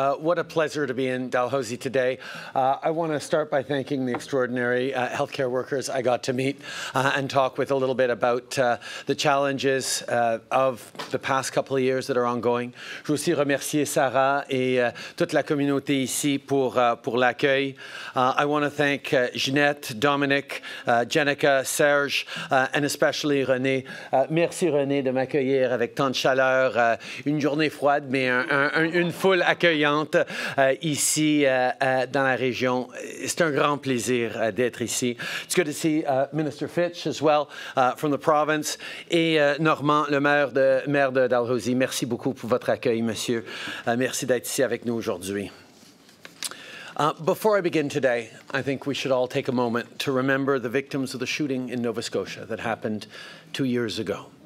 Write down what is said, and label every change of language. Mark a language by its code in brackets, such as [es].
[en] What a pleasure to be in Dalhousie today. I want to start by thanking the extraordinary healthcare workers I got to meet and talk with a little bit about the challenges of the past couple of years that are ongoing. [fr] Je aussi remercier Sarah et toute la communauté ici pour l'accueil. [en] I want to thank Jeanette, Dominic, Jenica, Serge, and especially René. [fr] Merci René de m'accueillir avec tant de chaleur, une journée froide, mais une foule accueillante ici dans la région. C'est un grand plaisir d'être ici. [en] It's good to see Minister Fitch as well from the province [fr] et Normand, le maire de Dalhousie. Merci beaucoup pour votre accueil, monsieur. Merci d'être ici avec nous aujourd'hui. [en] Before I begin today, I think we should all take a moment to remember the victims of the shooting in Nova Scotia that happened 2 years ago.